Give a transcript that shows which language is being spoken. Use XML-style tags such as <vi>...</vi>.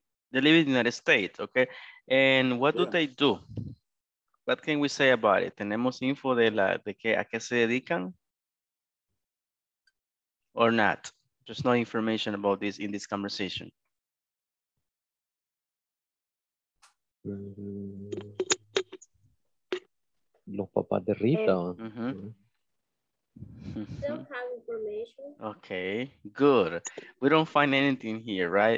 <en>They live in the United States, okay. And what do they do? What can we say about it?</en> <es>¿Tenemos info de la de qué a qué se dedican?</es> <en>Or not? There's no information about this in this conversation.</en> <es>Los papás de Rita. Mm-hmm.</es> <en>Don't have information. Okay, good. We don't find anything here, right?</en>